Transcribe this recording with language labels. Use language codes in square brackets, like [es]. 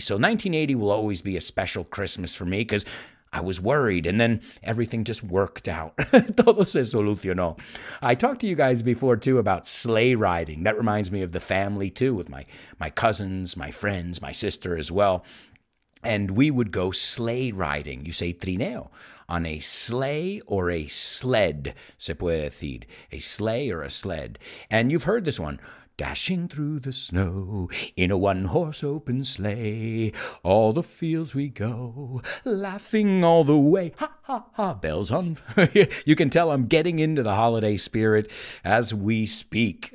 [en] So 1980 will always be a special Christmas for me because I was worried, and then everything just worked out. [es] Todo se solucionó. [en] I talked to you guys before, too, about sleigh riding. That reminds me of the family, too, with my cousins, my friends, my sister as well. And we would go sleigh riding. You say trineo. On a sleigh or a sled, [es] se puede decir. [en] A sleigh or a sled. And you've heard this one. Dashing through the snow in a one-horse open sleigh. All the fields we go, laughing all the way. Ha, ha, ha, bells on. You can tell I'm getting into the holiday spirit as we speak.